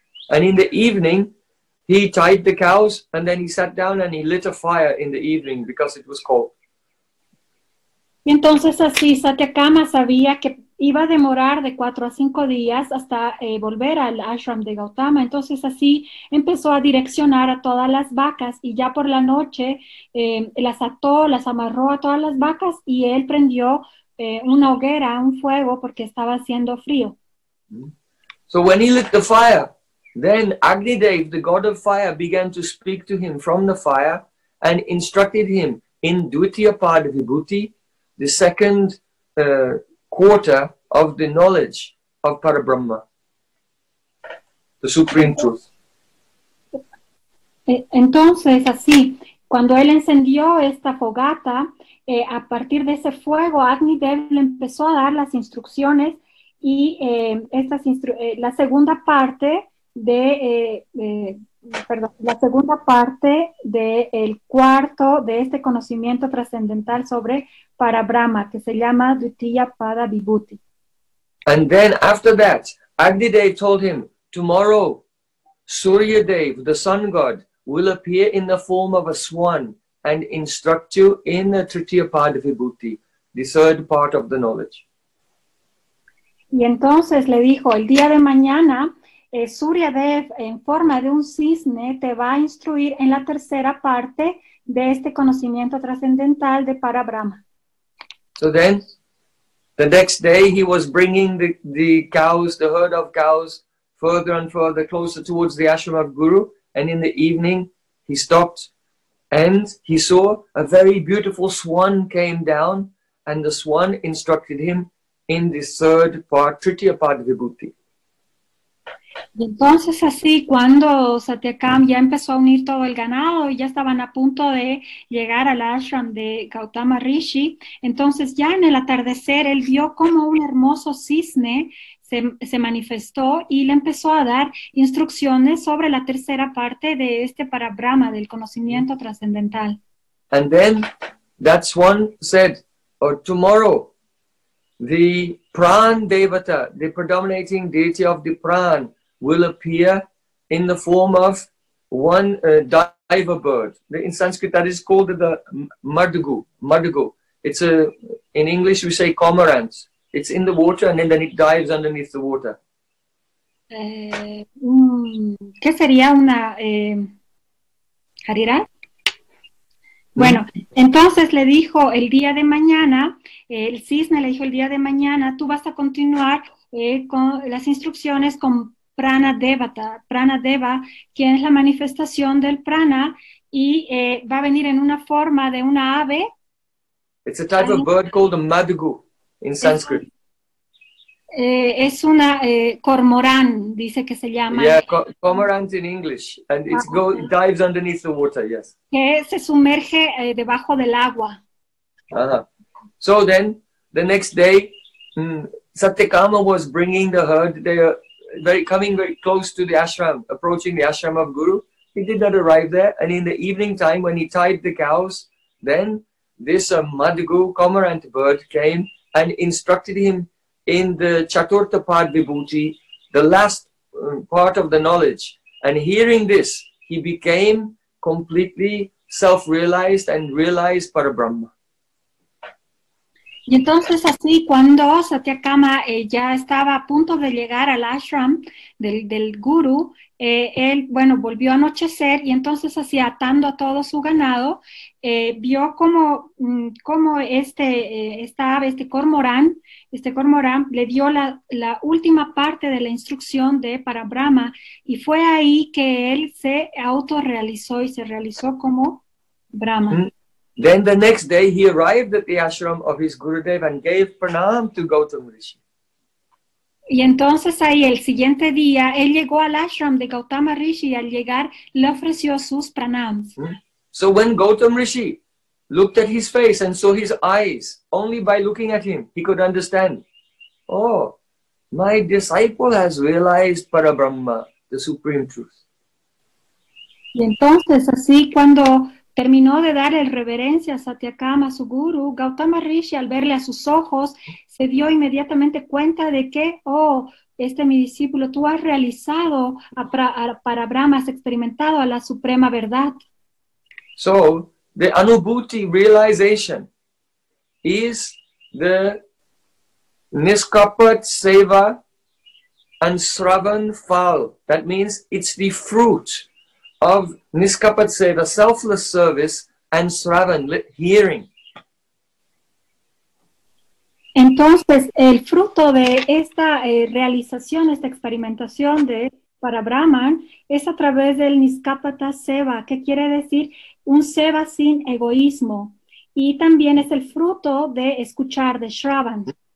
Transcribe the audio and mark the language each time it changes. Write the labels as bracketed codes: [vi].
[en] And in the evening, he tied the cows and then he sat down and he lit a fire in the evening because it was cold. [es] Entonces así Satyakama sabía que iba a demorar de 4 a 5 días hasta volver al ashram de Gautama. Entonces así empezó a direccionar a todas las vacas y ya por la noche las ató, las amarró a todas las vacas y él prendió una hoguera, un fuego, porque estaba haciendo frío. [en] So when he lit the fire, then Agnidev, the god of fire, began to speak to him from the fire and instructed him in Dvitiya Pad Vibhuti, the second quarter of the knowledge of Parabrahma, the supreme truth. [es] Entonces, así, cuando él encendió esta fogata, a partir de ese fuego, Agnidev le empezó a dar las instrucciones y la segunda parte la segunda parte del cuarto de este conocimiento trascendental sobre Parabrahma, que se llama Dvitiya Pada Vibhuti. [en] And then after that, Agnidev told him, tomorrow, Suryadev, the sun god, will appear in the form of a swan and instruct you in the Tritiya Pada Vibhuti, the third part of the knowledge. [es] Y entonces le dijo, el día de mañana, Suryadev, en forma de un cisne, te va a instruir en la tercera parte de este conocimiento trascendental de Parabrahma. [en] So then, the next day he was bringing the cows, the herd of cows, further and further, closer towards the ashram of Guru. And in the evening, he stopped and he saw a very beautiful swan came down and the swan instructed him in the third part, Tritiya Pada Vibhuti. [es] Y entonces así, cuando Satyakam ya empezó a unir todo el ganado y ya estaban a punto de llegar al ashram de Gautama Rishi, entonces ya en el atardecer él vio como un hermoso cisne se manifestó y le empezó a dar instrucciones sobre la tercera parte de este Parabrahma, del conocimiento trascendental. [en] And then that swan said, or tomorrow, the Pran Devata, the predominating deity of the Pran, will appear in the form of one diver bird. In Sanskrit, that is called the madgu. Madgu. It's in English we say cormorant. It's in the water and then it dives underneath the water. [es] ¿Qué sería una jarirán? Bueno, entonces le dijo el día de mañana, el cisne le dijo el día de mañana, tú vas a continuar con las instrucciones con Prana Devata, Prana Deva, quien es la manifestación del prana, y va a venir en una forma de una ave. [en] It's a type of bird called a madgu in Sanskrit. [es] Es una cormorán, dice que se llama. [en] Yeah, cormorant in English, and it dives underneath the water, yes. [es] Que se sumerge debajo del agua. Uh-huh. [en] So then, the next day, Satyakama was bringing the herd there, very close to the ashram, approaching the ashram of Guru. He did not arrive there, and in the evening time when he tied the cows, then this madgu, cormorant bird, came and instructed him in the Chaturtha Pad Vibhuti, the last part of the knowledge. And hearing this, he became completely self-realized and realized Parabrahma. [es] Y entonces así, cuando Satyakama ya estaba a punto de llegar al ashram del guru, él, bueno, volvió a anochecer y entonces así, atando a todo su ganado, vio cómo este cormorán le dio la última parte de la instrucción de Parabrahma, y fue ahí que él se autorrealizó y se realizó como Brahma. [en] Then the next day he arrived at the ashram of his Gurudev and gave pranam to Gautam Rishi. [es] Y entonces ahí el siguiente día él llegó al ashram de Gautama Rishi y al llegar le ofreció sus pranams. [en] So when Gautam Rishi looked at his face and saw his eyes, only by looking at him he could understand, oh, my disciple has realized Parabrahma, the supreme truth. [es] Y entonces así cuando terminó de dar el reverencia a Satyakama, su guru, Gautama Rishi, al verle a sus ojos, se dio inmediatamente cuenta de que, oh, este mi discípulo, tú has realizado para Brahma, has experimentado a la suprema verdad. [en] So, the anubhuti realization is the niskapat seva and sravan phal. That means it's the fruit of niskapat seva, selfless service, and sravan, hearing. [es] Entonces, el fruto de esta realización, esta experimentación de para Brahman, es a través del niskapata seva, que quiere decir un seva sin egoísmo, y también es el fruto de escuchar, de shravan.